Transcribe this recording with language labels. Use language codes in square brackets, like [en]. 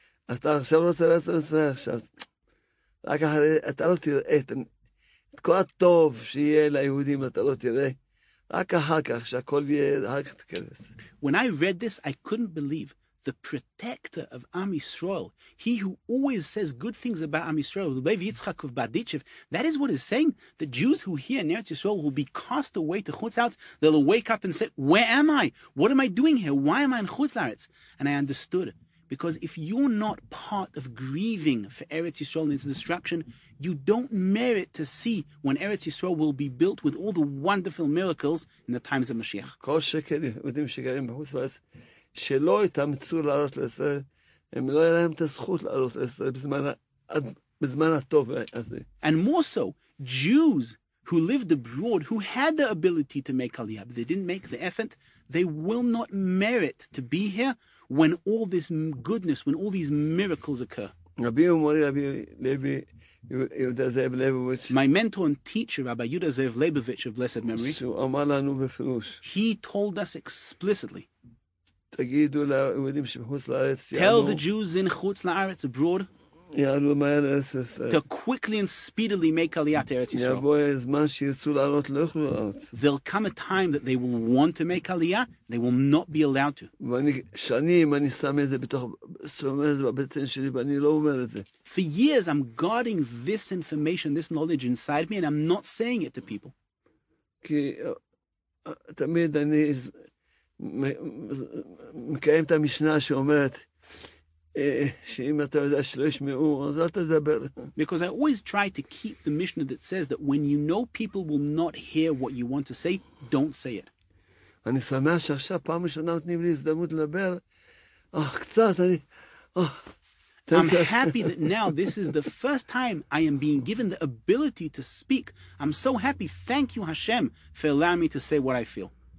[he] אתה עכשיו רוצה לעשות את זה עכשיו. רק אחרי, אתה לא תראה את כל הטוב שיהיה ליהודים, אתה לא תראה. רק אחר כך, שהכל יהיה, רק תכנס. [en] When I read this, I couldn't believe the protector of Am Yisrael, he who always says good things about Am Yisrael, Levi Yitzchak of Baditchev, that is what is saying. The Jews who hear in Eretz Yisrael will be cast away to Chutz Laaretz. They'll wake up and say, where am I? What am I doing here? Why am I in Chutz Laaretz? And I understood. Because if you're not part of grieving for Eretz Yisrael and its destruction, you don't merit to see when Eretz Yisrael will be built with all the wonderful miracles in the times of Mashiach. [he] כל שכן יהודים שגרים בחוץ לארץ, שלא יתאמצו לעלות לישראל, הם לא יהיה להם את הזכות לעלות לישראל בזמן הטוב הזה. [en] And more so, Jews who lived abroad, who had the ability to make Aliyah, but they didn't make the effort, they will not merit to be here when all this goodness, when all these miracles occur. [he] רבי ומורי רבי לוי יהודה זאב לייבוביץ, [en] my mentor and teacher, Rabbi Yehuda Zev Leibovitch of blessed memory, [he] שהוא אמר לנו בפירוש, [en] he told us explicitly, [he] תגידו ליהודים שבחוץ לארץ, [en] tell the Jews in Chutz Laaretz abroad, [he] יעלו מהר לארץ ישראל, [en] to quickly and speedily make Aliyah to Eretz Yisrael. [he] יבוא הזמן שירצו לעלות, לא יוכלו לעלות. [en] There'll come a time that they will want to make Aliyah, they will not be allowed to. [he] ואני שנים אני שם את זה בבטן שלי, ואני לא אומר את זה. [en] For years I'm guarding this information, this knowledge inside me, and I'm not saying it to people. [he] כי תמיד אני מקיים את המשנה שאומרת שאם אתה יודע שלא ישמעו אז אל תדבר. [en] Because I always try to keep the Mishnah that says that when you know people will not hear what you want to say, don't say it. [he] אני שמח שעכשיו פעם ראשונה נותנים לי הזדמנות לדבר. אך קצת אני, [en] I'm happy that now this is the first time I am being given the ability to speak. I'm so happy. Thank you Hashem for allowing me to say what I feel.